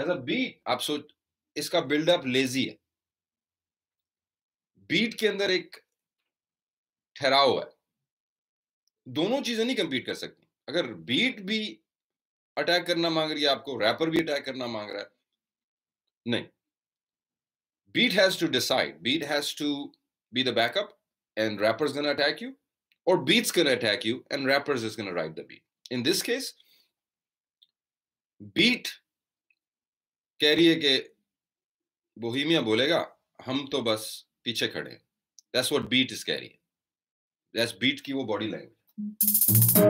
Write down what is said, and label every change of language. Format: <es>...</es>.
<hi>As a beat आप सोच, इसका बिल्डअप लेजी है, बीट के अंदर एक ठहराव है, दोनों चीजें नहीं कंपीट कर सकती। अगर बीट भी अटैक करना मांग रही है आपको, रैपर भी अटैक करना मांग रहा है, नहीं।</hi> <en>Beat has to decide. Beat has to be the backup and rapper's gonna attack you, or beat's gonna attack you and rapper's is gonna ride the beat. In this case,</en> <hi>beat कह रही है कि Bohemia बोलेगा हम तो बस पीछे खड़े हैं।</hi> <en>That's what beat is</en> <hi>कह रही है।</hi> <en>That's beat</en> <hi>की वो</hi> <en>body language.</en>